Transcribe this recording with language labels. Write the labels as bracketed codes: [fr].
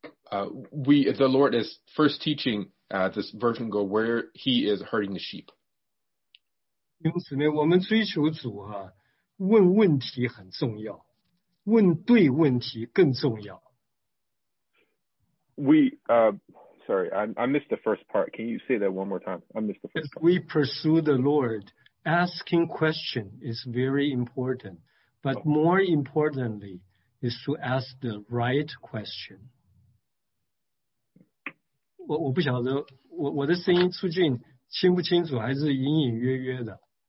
[en] The Lord is first teaching this virgin girl where he is herding the sheep. [zh] 因此呢，我们追求主啊，问问题很重要，问对问题更重要。 [en] I missed the first part. Can you say that one more time? I missed the first part. If we pursue the Lord, asking question is very important. But more importantly is to ask the right question. [zh] 我不晓得 我的声音出镜清不清楚，还是隐隐约约的。